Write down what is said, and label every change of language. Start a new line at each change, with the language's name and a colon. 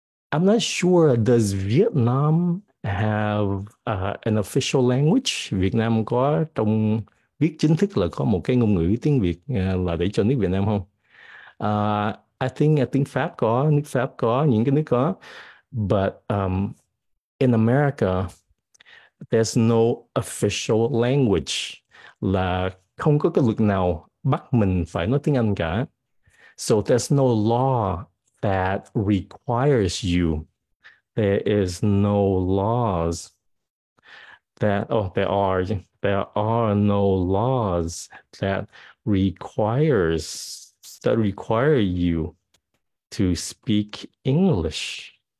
English: I'm not sure, does Vietnam have an official language?
Vietnamese: Việt Nam có trong viết chính thức là có một cái ngôn ngữ tiếng Việt là để cho nước Việt Nam không? I think Pháp có, nước Pháp có, những cái nước có.
English: But in America, there's no official language.
Vietnamese: Là không có cái luật nào bắt mình phải nói tiếng Anh cả.
English: So there's no law that requires you. There is no laws that, there are no laws that require you to speak English.